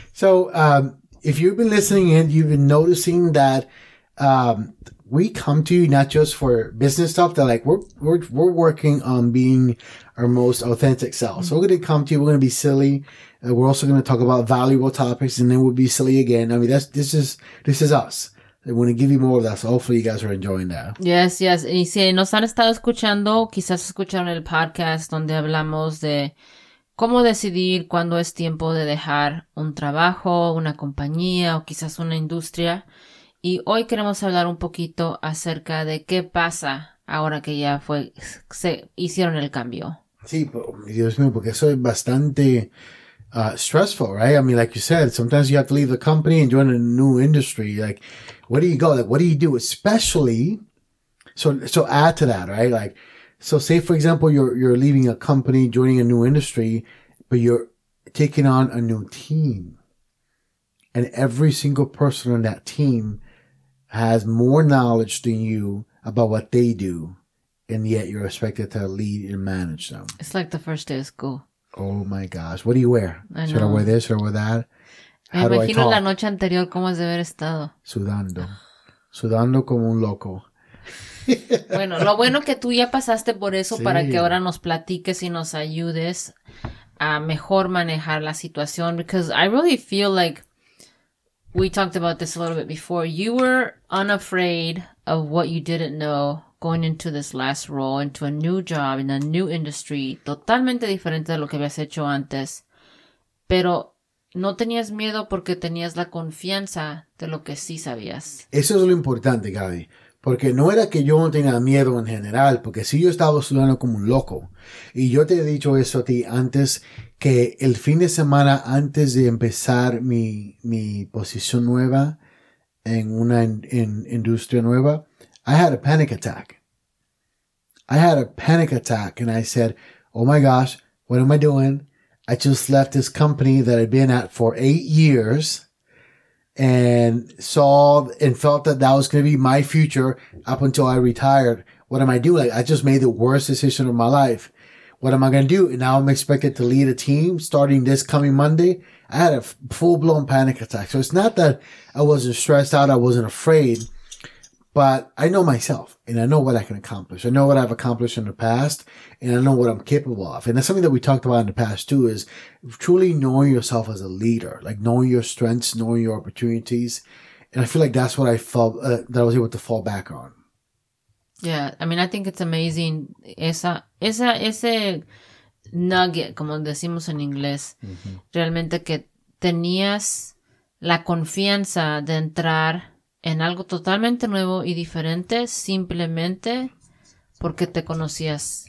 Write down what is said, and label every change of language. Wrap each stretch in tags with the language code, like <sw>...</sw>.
<en>So, if you've been listening in, you've been noticing that we come to you not just for business stuff, that like we're working on being our most authentic self. Mm-hmm. So, we're going to come to you, we're going to be silly. We're also going to talk about valuable topics, and then we'll be silly again. I mean, this is us. I want to give you more of that, so hopefully you guys are enjoying that. Yes, yes.</en> <es>Y si nos han estado escuchando, quizás escucharon el podcast donde hablamos de cómo decidir cuándo es tiempo de dejar un trabajo, una compañía o quizás una industria. Y hoy queremos hablar un poquito acerca de qué pasa ahora que ya se hicieron el cambio. Sí, Dios mío, porque eso es bastante</es> <en>stressful, right? I mean, like you said, sometimes you have to leave the company and join a new industry. Like, where do you go? Like, what do you do? Especially, so add to that, right? Like, so say, for example, you're leaving a company, joining a new industry, but you're taking on a new team. And every single person on that team has more knowledge than you about what they do. And yet you're expected to lead and manage them. It's like the first day of school. Oh, my gosh. What do you wear? Should I wear this or wear that? How</en> <es>me imagino</es> <en>do I talk?</en> <es>La noche anterior, ¿cómo has de haber estado? Sudando como un loco. Bueno, lo bueno que tú ya pasaste por eso, sí. Para que ahora nos platiques y nos ayudes a mejor manejar la situación.</es> <en>Because I really feel like we talked about this a little bit before. You were unafraid of what you didn't know. Going into this last role, into a new job, in a new industry,</en> <es>totalmente diferente de lo que habías hecho antes. Pero no tenías miedo porque tenías la confianza de lo que sí sabías. Eso es lo importante, Gaby. Porque no era que yo no tenía miedo en general, porque sí yo estaba sudando como un loco. Y yo te he dicho eso a ti antes, que el fin de semana antes de empezar mi posición nueva en una industria nueva,</es> <en>I had a panic attack. I had a panic attack and I said, oh my gosh, what am I doing? I just left this company that I'd been at for 8 years and saw and felt that was going to be my future up until I retired. What am I doing? Like, I just made the worst decision of my life. What am I going to do? And now I'm expected to lead a team starting this coming Monday. I had a full-blown panic attack. So it's not that I wasn't stressed out. I wasn't afraid. But I know myself, and I know what I can accomplish. I know what I've accomplished in the past, and I know what I'm capable of. And that's something that we talked about in the past, too, is truly knowing yourself as a leader, like knowing your strengths, knowing your opportunities. And I feel like that's what I felt that I was able to fall back on. Yeah, I mean, I think it's amazing.</en> <es>Ese nugget, como decimos en inglés, mm-hmm. realmente que tenías la confianza de entrar en algo totalmente nuevo y diferente, simplemente porque te conocías</es>